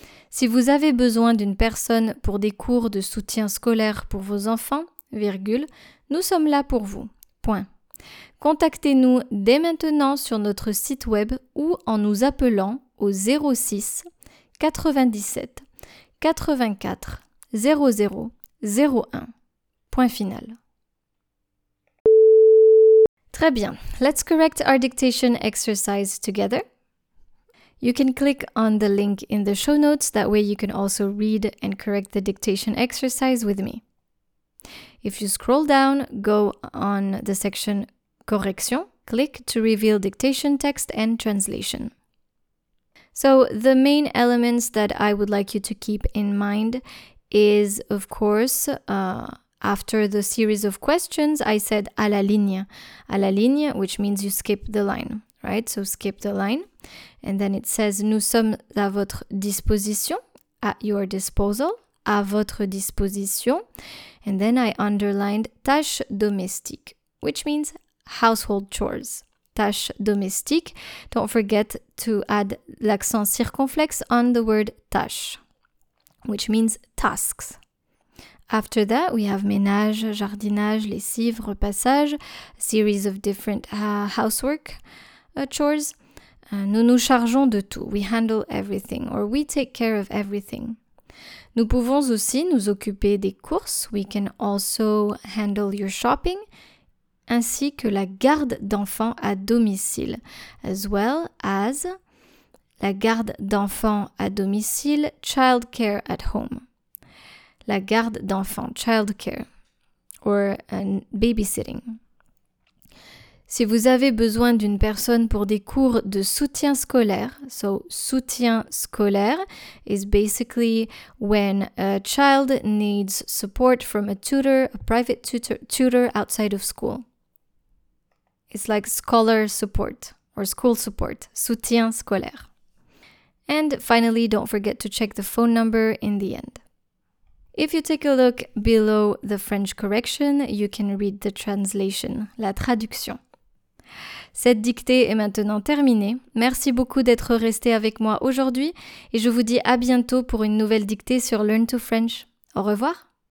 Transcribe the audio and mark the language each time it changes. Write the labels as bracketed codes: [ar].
[fr] Si vous avez besoin d'une personne pour des cours de soutien scolaire pour vos enfants, virgule, nous sommes là pour vous. Point. Contactez-nous dès maintenant sur notre site web ou en nous appelant au 06 97 84 00 01. Point final. Très bien. [en] Let's correct our dictation exercise together. You can click on the link in the show notes. That way you can also read and correct the dictation exercise with me. If you scroll down, go on the section correction, click to reveal dictation text and translation. So the main elements that I would like you to keep in mind is, of course, after the series of questions, I said [fr] à la ligne, [en] which means you skip the line, right? So skip the line. And then it says [fr] nous sommes à votre disposition, [en] at your disposal, [fr] à votre disposition. [en] And then I underlined [fr] tâche domestique, [en] which means household chores, tâche domestique. Don't forget to add l'accent circonflexe on the word tâche, which means tasks. After that, we have [fr] ménage, jardinage, lessive, repassage, [en] a series of different housework chores. [fr] Nous nous chargeons de tout. [en] We handle everything or we take care of everything. [fr] Nous pouvons aussi nous occuper des courses. [en] We can also handle your shopping. [fr] Ainsi que la garde d'enfants à domicile. [en] As well as [fr] la garde d'enfants à domicile, [en] child care at home. [fr] La garde d'enfants, [en] child care, or babysitting. [fr] Si vous avez besoin d'une personne pour des cours de soutien scolaire, [en] so soutien scolaire is basically when a child needs support from a tutor, a private tutor outside of school. It's like scholar support or school support, soutien scolaire. And finally, don't forget to check the phone number in the end. If you take a look below the French correction, you can read the translation, [fr] la traduction. Cette dictée est maintenant terminée. Merci beaucoup d'être resté avec moi aujourd'hui et je vous dis à bientôt pour une nouvelle dictée sur Learn to French. Au revoir!